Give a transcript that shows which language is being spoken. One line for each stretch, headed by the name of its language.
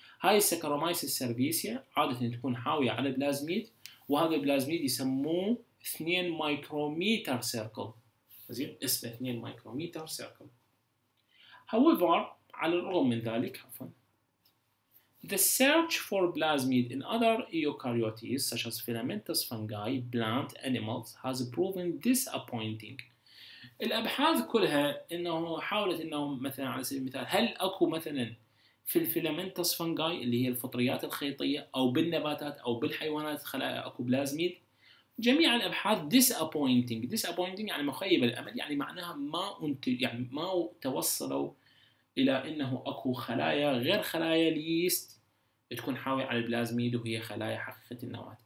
Arabic: هاي الساكاروميسيس سيرفيسيا عادة تكون حاوية على البلازميد، وهذا البلازميد يسموه 2 ميكرومتر سيركل. زين، اسمه 2 ميكرومتر سيركل.
English: However،
Arabic: على الرغم من ذلك،
English: the search for plasmid in other eukaryotes such as filamentous fungi, plant animals has proven disappointing.
Arabic: الأبحاث كلها إنه حاولت إنه مثلا على سبيل المثال هل أكو مثلا في الفيلامنتوس فانجاي اللي هي الفطريات الخيطية أو بالنباتات أو بالحيوانات خلايا أكو بلازميد. جميع الابحاث disappointing. disappointing يعني مخيب الامل، يعني معناها ما انت يعني ما توصلوا الى انه اكو خلايا غير خلايا ليست تكون حاويه على البلازميد وهي خلايا حقيقيه النواه.